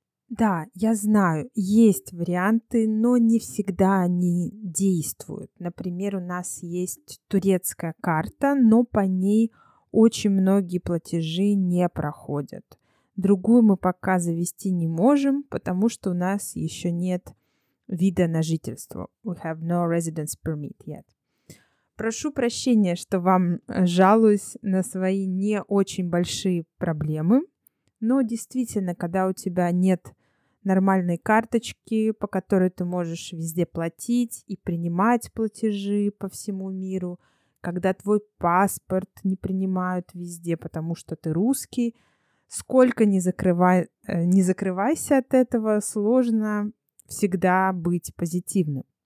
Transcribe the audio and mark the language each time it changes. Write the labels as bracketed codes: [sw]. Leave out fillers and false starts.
[ru] Да, я знаю, есть варианты, но не всегда они действуют. Например, у нас есть турецкая карта, но по ней очень многие платежи не проходят. Другую мы пока завести не можем, потому что у нас еще нет вида на жительство. [en] We have no residence permit yet. [ru] Прошу прощения, что вам жалуюсь на свои не очень большие проблемы, но действительно, когда у тебя нет нормальной карточки, по которой ты можешь везде платить и принимать платежи по всему миру, когда твой паспорт не принимают везде, потому что ты русский, сколько не закрывайся от этого, сложно всегда быть позитивным.